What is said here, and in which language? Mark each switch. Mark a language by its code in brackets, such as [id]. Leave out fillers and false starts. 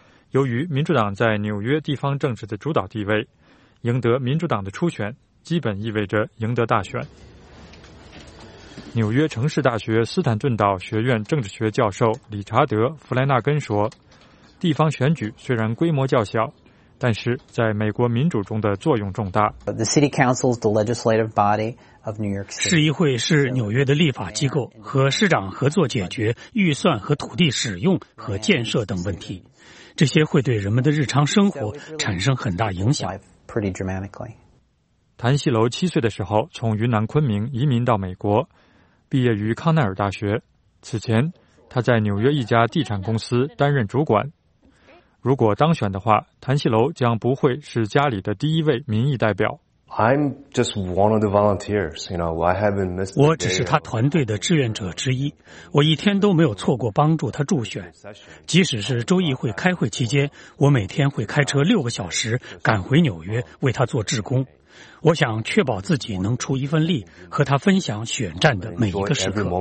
[zh] 由于民主党在纽约地方政治的主导地位，赢得民主党的初选基本意味着赢得大选。纽约城市大学斯坦顿岛学院政治学教授理查德·弗莱纳根说，地方选举虽然规模较小，但是在美国民主中的作用重大。 [en] The city council is the legislative body of New York City. [zh] 市议会是纽约的立法机构，和市长合作解决预算和土地使用和建设等问题，这些会对人们的日常生活产生很大影响。 [en] Pretty dramatically. [zh] 谭西楼7岁的时候从云南昆明移民到美国，毕业于康奈尔大学。此前他在纽约一家地产公司担任主管。如果当选的话，谭西楼将不会是家里的第一位民意代表。 [en] I'm just one of the volunteers, you know, I haven't missed. [zh] 我只是他团队的志愿者之一，我一天都没有错过帮助他助选。即使是州议会开会期间，我每天会开车6个小时赶回纽约为他做志工。我想确保自己能出一份力，和他分享选战的每一个时刻。